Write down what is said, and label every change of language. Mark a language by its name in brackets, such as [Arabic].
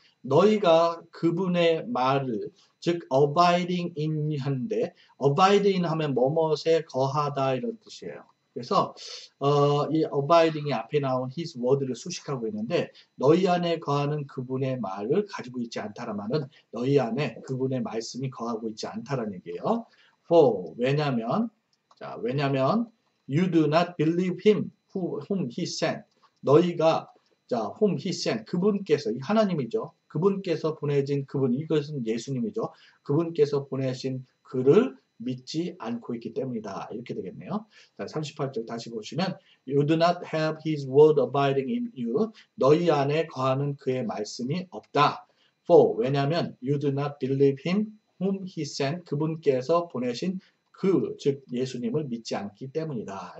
[Korean] 너희가 그분의 말을, 즉 abiding in 한데, abiding 하면 무엇에 거하다 이런 뜻이에요. 그래서 이 abiding이 앞에 나온 his word를 수식하고 있는데, 너희 안에 거하는 그분의 말을 가지고 있지 않다라는 말은 너희 안에 그분의 말씀이 거하고 있지 않다라는 얘기예요. [English] For, [Korean] 왜냐면, 자, 왜냐면 [English] you do not believe him whom he sent. [Korean] 너희가 자, [English] whom he sent, [Korean] 그분께서, 하나님이죠. 그분께서 보내진 그분, 이것은 예수님이죠. 그분께서 보내신 그를 믿지 않고 있기 때문이다. 이렇게 되겠네요. 자, 38절 다시 보시면 [English] You do not have his word abiding in you. [Korean] 너희 안에 거하는 그의 말씀이 없다. [English] For, [Korean] 왜냐하면 [English] You do not believe him whom he sent. [Korean] 그분께서 보내신 그, 즉 예수님을 믿지 않기 때문이다.